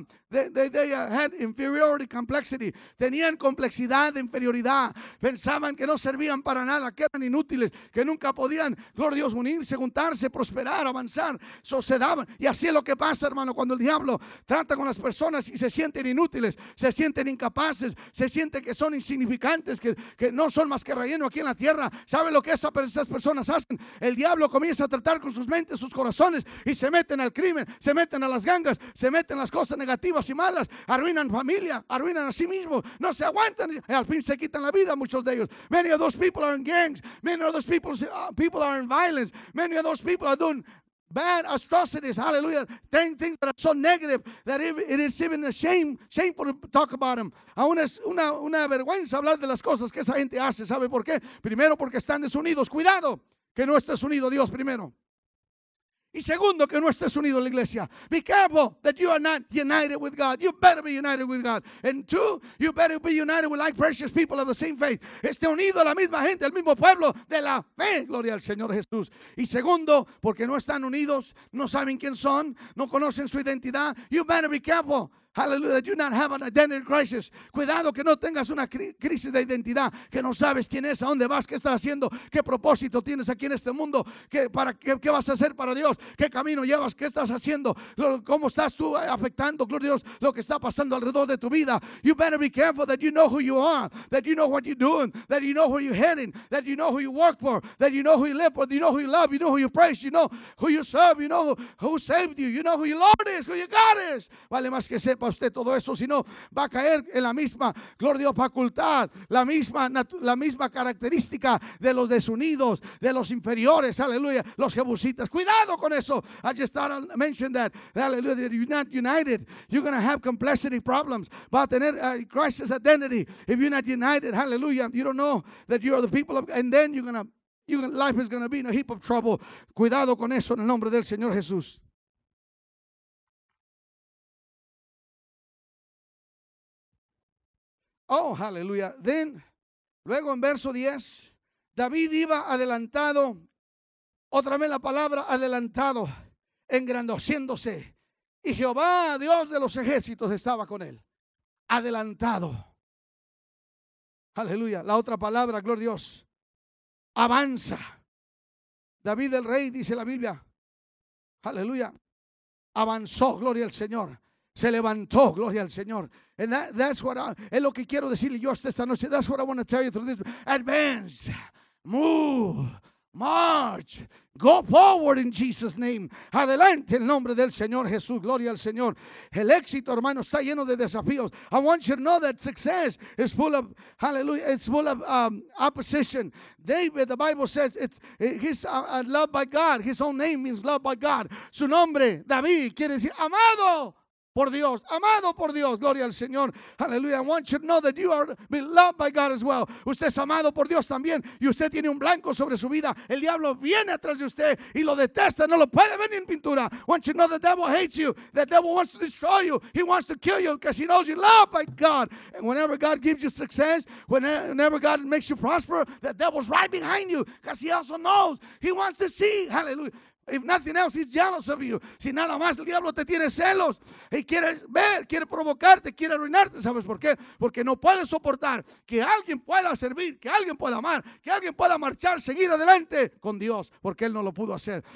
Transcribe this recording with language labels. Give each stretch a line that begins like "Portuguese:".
English: They had inferiority complexity.
Spanish: Tenían complexidad de inferioridad. Pensaban que no servían para nada, que eran inútiles, que nunca podían, gloria a Dios, unirse, juntarse, prosperar, avanzar. Sucedaban. Y así es lo que pasa, hermano, cuando el diablo trata con las personas y se sienten inútiles, se sienten incapaces, se sienten que son insignificantes, que no son más que relleno aquí en la tierra. ¿Sabe lo que esas personas hacen? El diablo comienza a tratar con sus mentes, sus corazones, y se meten al crimen, se meten a las gangas, se meten a las cosas negativas y malas, arruinan familia, arruinan a sí mismos, no se aguantan y al fin se quitan la vida muchos de ellos.
English: Many of those people are in gangs, many of those people are in violence, many of those people are doing bad atrocities, hallelujah, things that are so negative that it is even a shameful to talk about them.
Spanish: Aún es una vergüenza hablar de las cosas que esa gente hace. ¿Sabe por qué? Primero, porque están desunidos. Cuidado que no estés unido a Dios primero. Y segundo, que no estés unido a la iglesia.
English: Be careful that you are not united with God. You better be united with God. And two, you better be united with like precious people of the same faith.
Spanish: Esté unido a la misma gente, al mismo pueblo de la fe. Gloria al Señor Jesús. Y segundo, porque no están unidos, no saben quién son, no conocen su identidad.
English: You better be careful. Hallelujah, that you not have an identity crisis.
Spanish: Cuidado que no tengas una crisis de identidad, que no sabes quién es, a dónde vas, qué estás haciendo, qué propósito tienes aquí en este mundo, qué vas a hacer para Dios, qué camino llevas, qué estás haciendo, cómo estás tú afectando, gloria a Dios, lo que está pasando alrededor de tu vida.
English: You better be careful that you know who you are, that you know what you're doing, that you know where you're heading, that you know who you work for, that you know who you live for, you know who you love, you know who you praise, you know who you serve, you know who saved you, you know who your Lord is, who your God is.
Spanish: Vale más que ser para usted todo eso, sino va a caer en la misma, gloria a Dios, facultad, la misma característica de los desunidos, de los inferiores, aleluya, los jebusitas. Cuidado con eso.
English: I just thought I'll mention that, aleluya, that you're not united, you're going to have complexity problems.
Spanish: Va a tener crisis identity
English: if you're not united,
Spanish: aleluya.
English: You don't know that you are the people of, and then life is going to be in a heap of trouble.
Spanish: Cuidado con eso en el nombre del Señor Jesús. Oh, hallelujah. Then, luego en verso 10, David iba adelantado, otra vez la palabra adelantado, engrandeciéndose. Y Jehová, Dios de los ejércitos, estaba con él. Adelantado. Hallelujah. La otra palabra, gloria a Dios, avanza. David el rey, dice la Biblia, hallelujah, avanzó, gloria al Señor. Se levantó, gloria al Señor.
English: And that's what
Spanish: es lo que quiero decirle yo hasta esta noche.
English: That's what I want to tell you through this. Advance, move, march, go forward in Jesus' name.
Spanish: Adelante en nombre del Señor Jesús. Gloria al Señor. El éxito, hermano, está lleno de desafíos.
English: I want you to know that success is full of, hallelujah, it's full of opposition. David, the Bible says, he's loved by God. His own name means loved by God.
Spanish: Su nombre, David, quiere decir amado. Por Dios, amado por Dios, gloria al Señor.
English: Hallelujah. I want you to know that you are beloved by God as well.
Spanish: Usted es amado por Dios también. Y usted tiene un blanco sobre su vida. El diablo viene atrás de usted y lo detesta. No lo puede ver ni en pintura.
English: I want you to know the devil hates you. The devil wants to destroy you. He wants to kill you because he knows you're loved by God. And whenever God gives you success, whenever God makes you prosper, the devil's right behind you because he also knows. He wants to see. Hallelujah. If nothing else, he's jealous of you.
Spanish: Si nada más, el diablo te tiene celos. Y quiere ver, quiere provocarte, quiere arruinarte. ¿Sabes por qué? Porque no puede soportar que alguien pueda servir, que alguien pueda amar, que alguien pueda marchar, seguir adelante con Dios, porque él no lo pudo hacer.